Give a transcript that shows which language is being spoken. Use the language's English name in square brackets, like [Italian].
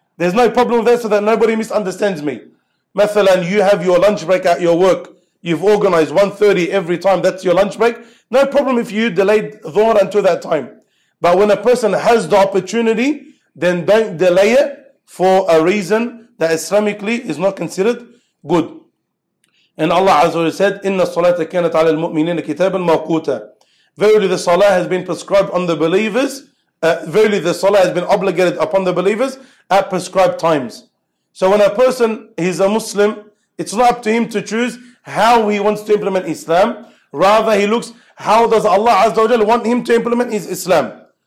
[English] There's no problem with that, so that nobody misunderstands me. Mathalan, you have your lunch break at your work. You've organized 1:30 every time, that's your lunch break. No problem if you delayed Dhuhr until that time. But when a person has the opportunity, then don't delay it for a reason that Islamically is not considered good. And Allah Azza wa Jalla said, [Arabic] إِنَّ الصَّلَاةَ كَانَتْ عَلَى الْمُؤْمِنِينَ كِتَابًا مَوْقُوتًا. [English] Verily the salah has been prescribed on the believers. Verily the salah has been obligated upon the believers at prescribed times. So when a person is a Muslim, it's not up to him to choose how he wants to implement Islam. Rather, he looks how does Allah Azza wa Jalla want him to implement his Islam.